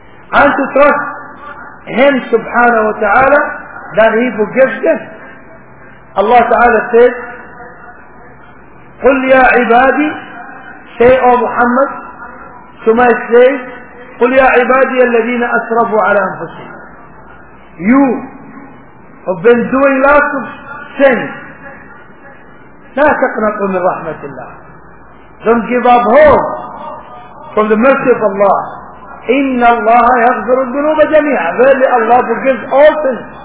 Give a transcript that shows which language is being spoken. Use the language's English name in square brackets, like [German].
[English] And to trust him subhanahu wa ta'ala that he forgives them. Allah Ta'ala says, [Arabic] قُلْ يَا عِبَادِي. [English] Say, O Muhammad, to my slaves, [Arabic] قُلْ يَا عِبَادِيَ الَّذِينَ أَسْرَفُوا عَلَىٰ أَنفُسِهِمْ. [English] You have been doing lots of sins. [Arabic] لا تَقْنَطُوا مِنْ رَحْمَةِ اللَّهِ. [English] Don't give up hope from the mercy of Allah. [Arabic] إِنَّ اللَّهَ يَغْفِرُ الذُّنُوبَ جَمِيعًا. [English] Verily Allah forgives all sins.